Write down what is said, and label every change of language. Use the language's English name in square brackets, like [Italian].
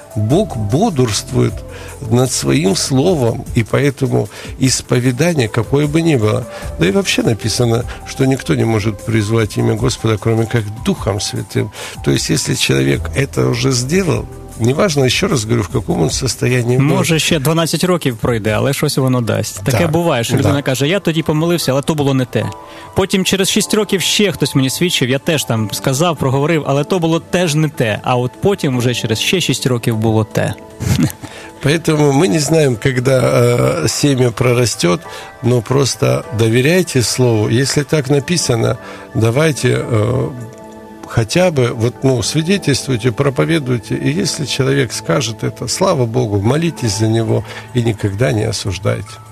[Russian] Бог бодрствует над своим словом, и поэтому исповедание, какое бы ни было. Да и вообще написано, что никто не может призвать имя Господа, кроме как Духом Святым. То есть, если человек это уже сделал, неважно, еще раз говорю, в каком он состоянии. [Ukrainian] Може, ще 12 років пройде, але щось воно дасть. Таке да, буває, що людина каже, я тоді помилився, але то було не те. Потім через 6 років ще хтось мені свідчив, я теж там сказав, проговорив, але то було теж не те. А от потім уже через ще 6 років було те. [Russian] Поэтому мы не знаем, когда семя прорастет, но просто доверяйте слову. Если так написано, давайте... хотя бы, вот, ну, свидетельствуйте, проповедуйте, и если человек скажет это, слава Богу, молитесь за него и никогда не осуждайте.